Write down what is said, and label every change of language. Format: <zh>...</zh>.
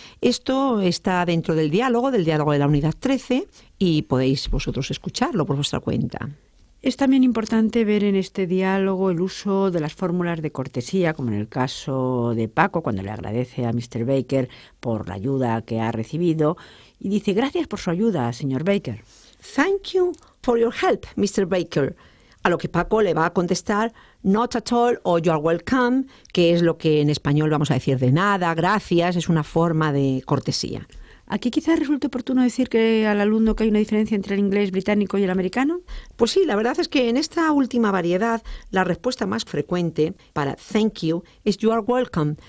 <es>Esto está dentro del diálogo de la unidad 13, y podéis vosotros escucharlo por vuestra cuenta. Es también importante ver en este diálogo el uso de las fórmulas de cortesía, como en el caso de Paco, cuando le agradece a Mr. Baker por la ayuda que ha recibido, y dice, gracias por su ayuda, señor Baker.</es> <en>Thank you for your help, Mr. Baker.</en> <es>A lo que Paco le va a contestar,</es> <en>not at all,</en> <es>o</es> <en>you are welcome,</en> <es>que es lo que en español vamos a decir de nada, gracias, es una forma de cortesía. ¿Aquí quizás resulte oportuno decir que al alumno que hay una diferencia entre el inglés británico y el americano? Pues sí, la verdad es que en esta última variedad la respuesta más frecuente para</es> <en>thank you</en> <es>es</es> <en>you are welcome.</en>